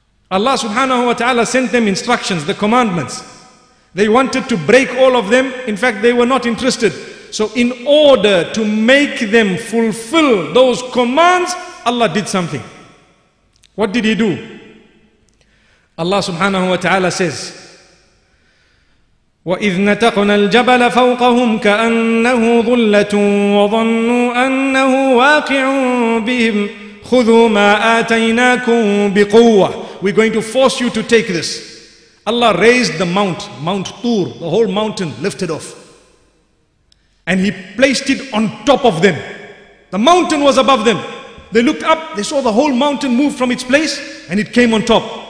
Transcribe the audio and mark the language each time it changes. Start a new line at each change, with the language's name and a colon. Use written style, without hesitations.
English: Allah subhanahu wa ta'ala sent them instructions, the commandments. They wanted to break all of them. In fact, they were not interested. So in order to make them fulfill those commands, Allah did something. What did he do? Allah subhanahu wa ta'ala says,
Arabic: وَإِذْ نَتَقْنَا الْجَبَلَ فَوْقَهُمْ كَأَنَّهُ ظُلَّةٌ وَظَنُّوا أَنَّهُ وَاقِعٌ بِهِمْ خُذُوا مَا آتَيْنَاكُمْ بِقُوَّةٍ.
English: We're going to force you to take this. Allah raised the mount, Mount Tur, the whole mountain lifted off. And he placed it on top of them. The mountain was above them. They looked up, they saw the whole mountain move from its place and it came on top.